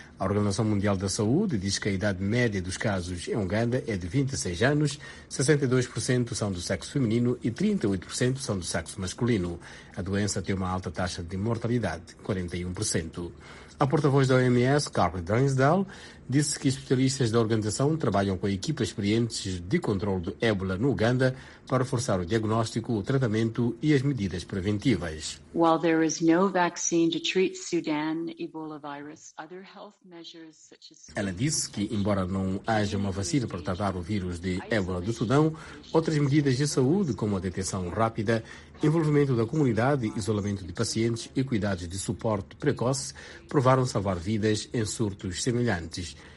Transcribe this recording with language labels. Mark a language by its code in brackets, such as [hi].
[pt] A Organização Mundial da Saúde diz que a idade média dos casos em Uganda é de 26 anos, 62% são do sexo feminino e 38% são do sexo masculino. A doença tem uma alta taxa de mortalidade, 41%. A porta-voz da OMS, Carla Drinsdale, disse que especialistas da organização trabalham com equipas experientes de controle do ébola no Uganda para reforçar o diagnóstico, o tratamento e as medidas preventivas. [en] While there is no vaccine to treat Sudan Ebola virus, other health measures such as... [pt] Ela disse que, embora não haja uma vacina para tratar o vírus de ébola do Sudão, outras medidas de saúde, como a detecção rápida, envolvimento da comunidade, isolamento de pacientes e cuidados de suporte precoce, provaram salvar vidas em surtos semelhantes.